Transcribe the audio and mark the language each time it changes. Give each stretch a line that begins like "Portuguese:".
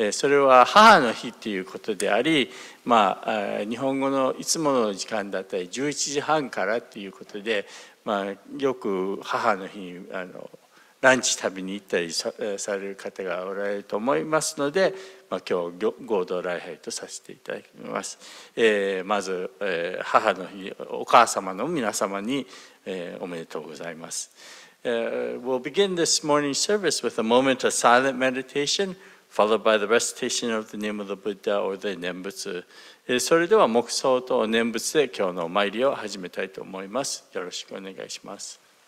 Japanese: それは母の日ということであり、まあ、日本語のいつもの時間だったり11時半からということで、まあ、よく母の日ランチ旅に行ったりされる方がおられると思いますので、まあ、今日合同礼拝とさせていただきます。まず、母の日、お母様の皆様に、おめでとうございます。
English: We'll begin this morning's service with a moment of silent meditation, followed by the recitation of the name of the Buddha or the 念仏。
Japanese: それでは黙想と念仏で今日のお参りを始めたいと思います。よろしくお願いします。